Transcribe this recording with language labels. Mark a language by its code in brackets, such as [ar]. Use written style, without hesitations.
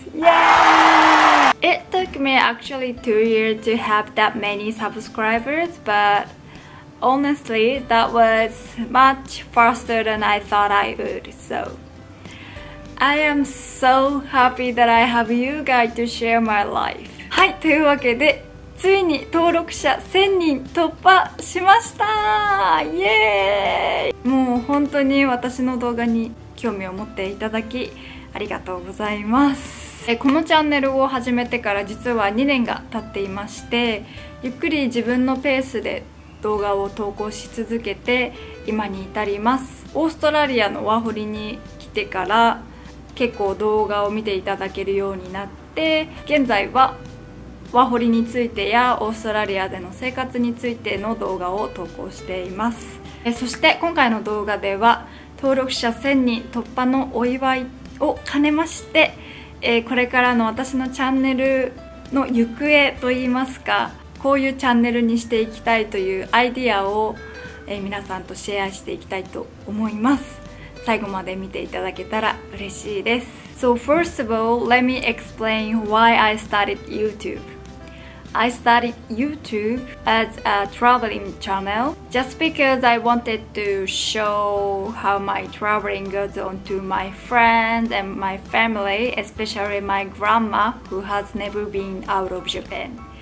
[en] Yay! It took me actually 2 years to have that many subscribers, but honestly, that was much faster than I thought I would. So I am so happy that I have you guys to share my life. [ja] はい、というわけで、ついに登録者1000人突破しました。イエーイ。もう本当に私の動画に興味を持っていただきありがとうございます。このチャンネルを始めてから実は2年が経っていまして、ゆっくり自分のペースで動画を投稿し続けて今に至ります。オーストラリアのワーホリに来てから結構動画を見ていただけるようになって、現在はワーホリについてやオーストラリアでの生活についての動画を投稿しています。そして今回の動画では登録者1000人突破のお祝いを兼ねまして、これからの私のチャンネルの行方といいますか、こういうチャンネルにしていきたいというアイディアを、皆さんとシェアしていきたいと思います。最後まで見ていただけたら嬉しいです。 [en] So first of all, let me explain why I started YouTube. I started YouTube as a traveling channel just because I wanted to show how my traveling goes on to my friends and my family, especially my grandma who has never been out of Japan.